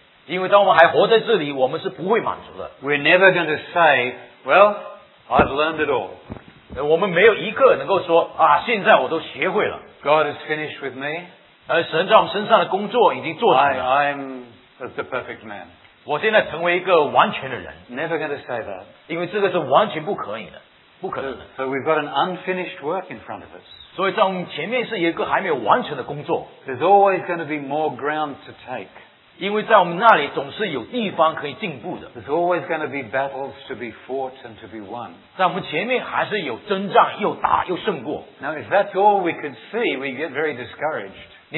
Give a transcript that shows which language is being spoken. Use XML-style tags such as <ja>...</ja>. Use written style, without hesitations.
<zh>因为当我们还活在这里，我们是不会满足的。</zh> <en>We're never going to say, well, I've learned it all.</en> <zh>我们没有一刻能够说，现在我都学会了。</zh> <en>God is finished with me.</en> <zh>而神在我们身上的工作已经做成了。</zh> <en>I'm the perfect man.</en> <zh>我现在成为一个完全的人。</zh> <en>Never going to say that.</en> <zh>因为这个是完全不可以的，不可能的。</zh> <en>So we've got an unfinished work in front of us.</en> <zh>所以在我们前面是一个还没有完成的工作。</zh> <en>There's always going to be more ground to take.</en> <zh>因为在我们那里总是有地方可以进步的。</zh> <en>There's always going to be battles to be fought and to be won.</en> <zh>在我们前面还是有征战，又打又胜过。</zh> <en>Now if that's all we could see, we get very discouraged.</en>